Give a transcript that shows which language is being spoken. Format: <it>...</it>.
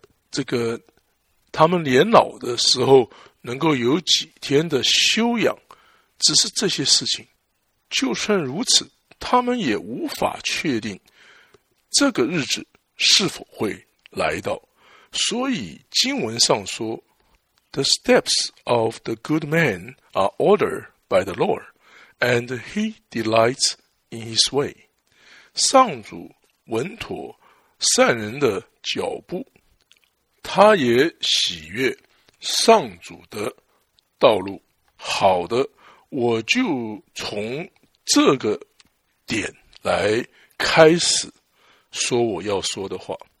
<zh>这个他们年老的时候能够有几天的休养，只是这些事情。就算如此，他们也无法确定这个日子是否会来到。所以经文上说，</zh> <en>The steps of the good man are ordered by the Lord, and he delights in his way.</en> <zh>上主稳妥善人的脚步，他也喜悦上主的道路。好的，我就从这个点来开始说我要说的话。</zh>